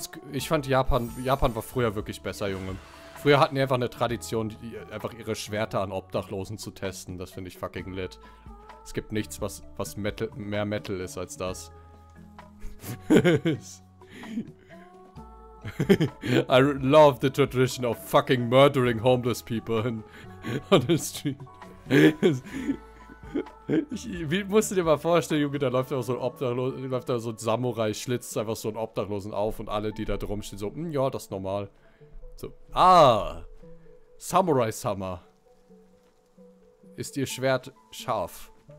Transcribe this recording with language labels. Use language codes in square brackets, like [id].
[de] Ich fand Japan war früher wirklich besser, Junge. Früher hatten die einfach eine Tradition, einfach ihre Schwerter an Obdachlosen zu testen. Das finde ich fucking lit. Es gibt nichts, was Metal, mehr Metal ist als das. [en] I love the tradition of fucking murdering homeless people on the street. [de] Musst du dir mal vorstellen, Junge, da läuft einfach so ein Obdachloser, läuft da so ein Samurai, schlitzt einfach so einen Obdachlosen auf und alle, die da drum stehen, so, ja, das ist normal. So, ah, Samurai-Summer. Ist ihr Schwert scharf?